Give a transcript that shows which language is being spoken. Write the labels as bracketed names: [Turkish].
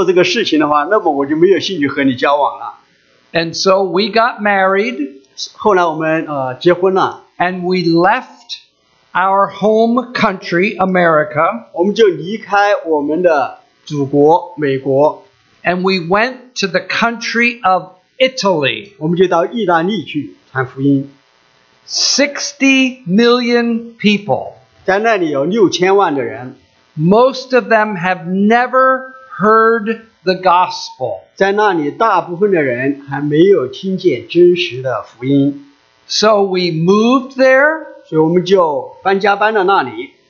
[Chinese] 如果神没有要你去做这个事情的话,那么我就没有兴趣和你交往了。 [English] And so we got married. [Chinese] 后来我们结婚了。 [English] And we left our home country, America. [Chinese] 我们就离开我们的 祖国, [English] and we went to the country of Italy. [Chinese] 我们就到意大利去传福音。 [English] 60 million people. [Chinese] 在那里有6000万的人。 [English] Most of them have never heard the gospel. [Chinese] 在那里大部分的人还没有听见真实的福音。 [English] So we moved there. [Chinese] 所以我们就搬家搬到那里。